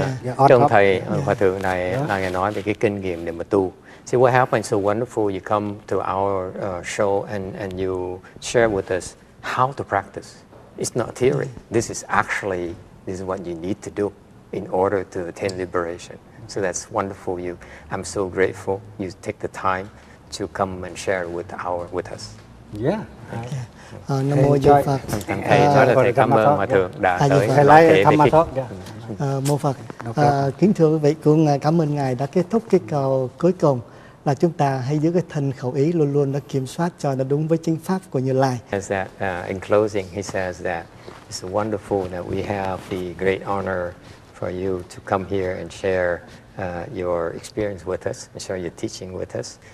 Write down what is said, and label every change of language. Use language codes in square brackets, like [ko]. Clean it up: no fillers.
[vi] Cái ông thầy hòa thượng này đang nói về cái kinh nghiệm để mà tu. [en] See what happened so wonderful. You come to our show and you share with us how to practice. It's not theory. This is actually this is what you need to do in order to attain liberation. So that's wonderful. You, I'm so grateful. You take the time to come and share with our with us. Yeah. [vi] Okay. Nam mô Di Phật. Thầy cho là thầy cảm ơn hòa thượng đã tới thầy thầy lấy tham ma thọ. Mô Phật. Kính thưa quý vị, cũng cảm ơn ngài đã kết thúc cái câu cuối cùng là chúng ta hãy giữ cái thân khẩu ý luôn luôn đã kiểm soát cho nó đúng với chính pháp của Như Lai. [en] As that, in closing, he says that it's wonderful that we have the great honor for you to come here and share your experience with us and share your teaching with us.